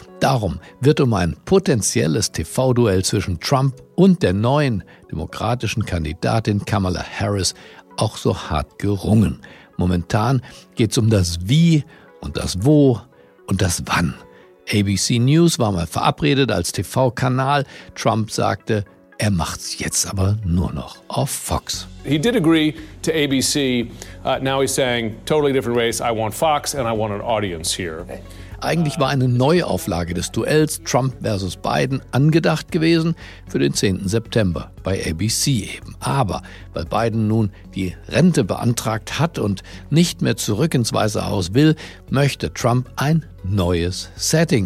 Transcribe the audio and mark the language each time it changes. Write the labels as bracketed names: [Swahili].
[German] Darum wird um ein potenzielles TV-Duell zwischen Trump und der neuen demokratischen Kandidatin Kamala Harris auch so hart gerungen. Momentan geht's um das Wie und das Wo und das Wann. ABC News war mal verabredet als TV-Kanal. Trump sagte, er macht's jetzt aber nur noch auf Fox. [English] He did agree to ABC. Now he's saying, totally different race. I want Fox and I want an audience here. [German] Eigentlich war eine Neuauflage des Duells Trump versus Biden angedacht gewesen für den 10. September bei ABC eben. Aber weil Biden nun die Rente beantragt hat und nicht mehr zurück ins Weiße Haus will, möchte Trump ein neues Setting.